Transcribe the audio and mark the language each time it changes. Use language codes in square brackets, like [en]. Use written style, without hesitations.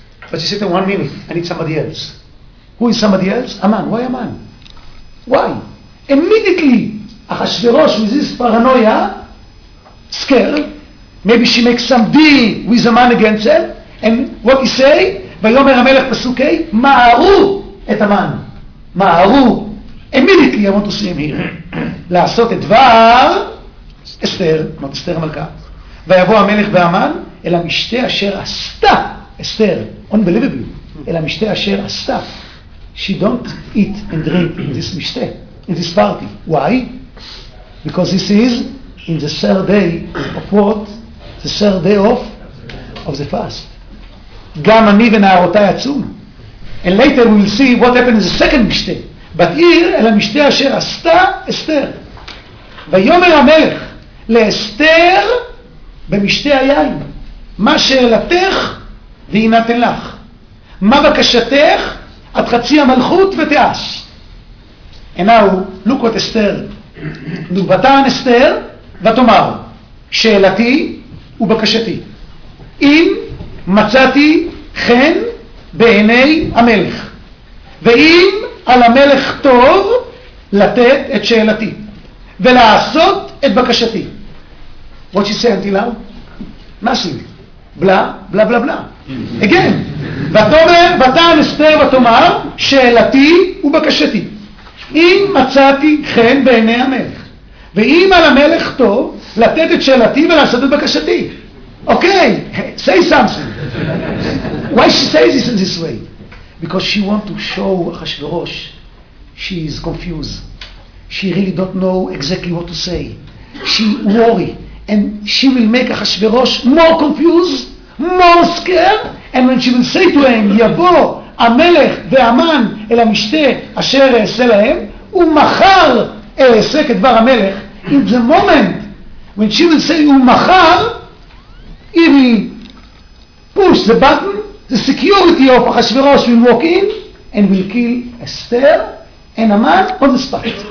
[en] But she said in 1 minute, I need somebody else. Who is somebody else? Aman, why Aman? Why? Immediately, Ahasuerush with this paranoia, scared, maybe she makes some deal with a man against her, and what he say? [he] ויאמר המלך פסוקי, מערו את המן. מערו. [en] Immediately, I want to see him here. [he] לעשות את דבר, אסתר, not אסתר המלכה, ויבוא המלך והמן, אל המשתה אשר עשתה, אסתר, unbelievable, אל המשתה אשר עשתה. [en] She don't eat and drink in this משתה, in this party. Why? Because this is in the third day of what? The third day of the fast. [he] גם אני ונערותיי עצום. [en] And later we will see what happened in the second משתה. But here, [he] אל המשתה אשר עשתה אסתר. ויאמר המלך לאסתר במשתה היין. מה שאלתך והנתן לך. מה בקשתך עד חצי המלכות ותעש. [en] And now, look what אסתר. [he] נובתן אסתר. ותאמר, שאלתי ובקשתי, אם מצאתי חן בעיני המלך, ואם על המלך טוב לתת את שאלתי, ולעשות את בקשתי. [en] What she said until now? Nothing. בלה, בלה, בלה, בלה. Again. [he] ותאמר, ותען אסתר ותאמר, שאלתי ובקשתי, אם מצאתי חן בעיני המלך, ואם על המלך טוב, לתת את שאלתי ולעשות את בקשתי. [en] אוקיי, say something. Why she says this in this way? Because she want to show Ahasuerush, she is confused. She really don't know exactly what to say. She worry. And she will make Ahasuerush more confused, more scared, and when she will say to him, [he] יבוא המלך והמן אל המשתה אשר אעשה להם, ומחר אעשה כדבר המלך, [en] in the moment when she will say ומחר, if he push the button, the security of Ahasuerush will walk in and will kill Esther and Haman on the spot.